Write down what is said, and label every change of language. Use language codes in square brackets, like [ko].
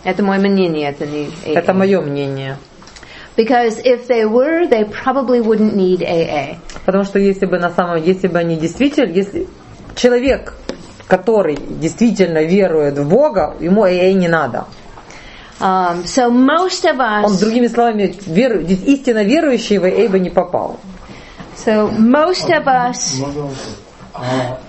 [ru] Это мое мнение, это не AA. Это мое мнение. [en] Because if they were, they probably wouldn't need AA. [ru] Потому что если человек, который действительно верует в Бога, ему AA не надо. [en] So most of us. [ru] Он, другими словами, истинно верующий в AA бы не попал. [en] So most of us.